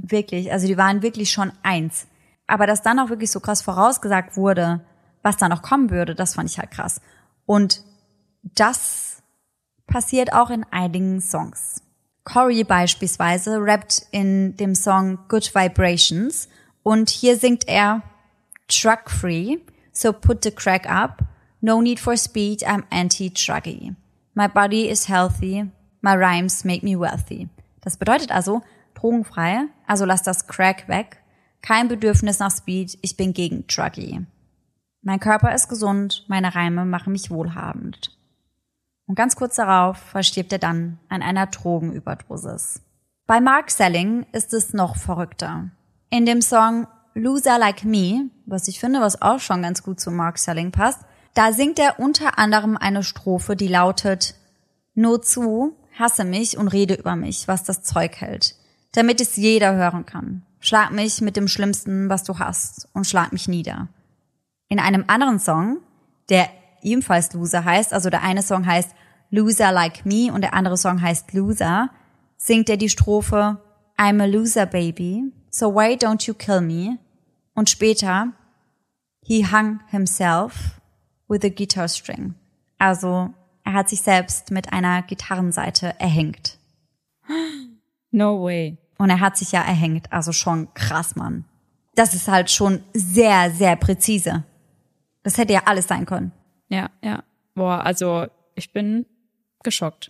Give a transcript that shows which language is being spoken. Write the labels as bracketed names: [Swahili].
[German] Wirklich, also die waren wirklich schon eins. Aber dass dann auch wirklich so krass vorausgesagt wurde, was da noch kommen würde, das fand ich halt krass. Und das passiert auch in einigen Songs. Corey beispielsweise rappt in dem Song Good Vibrations und hier singt er [English] Truck Free, so put the crack up. No need for speed, I'm anti-druggy. My body is healthy, my rhymes make me wealthy. [German] Das bedeutet also, drogenfrei, also lass das Crack weg. Kein Bedürfnis nach Speed, ich bin gegen druggy. Mein Körper ist gesund, meine Reime machen mich wohlhabend. Und ganz kurz darauf verstirbt er dann an einer Drogenüberdosis. Bei Mark Selling ist es noch verrückter. In dem Song Loser Like Me, was ich finde, was auch schon ganz gut zu Mark Selling passt, da singt er unter anderem eine Strophe, die lautet: Nur zu, hasse mich und rede über mich, was das Zeug hält, damit es jeder hören kann. Schlag mich mit dem Schlimmsten, was du hast, und schlag mich nieder. In einem anderen Song, der ebenfalls Loser heißt, also der eine Song heißt Loser Like Me und der andere Song heißt Loser, singt er die Strophe [English] I'm a loser baby, so why don't you kill me? [German] Und später [English] He hung himself with a guitar string. [German] Also er hat sich selbst mit einer Gitarrenseite erhängt. [English] No way. [German] Und er hat sich ja erhängt, also schon krass, Mann. Das ist halt schon sehr, sehr präzise. Das hätte ja alles sein können. Ja, ja. Boah, also ich bin geschockt.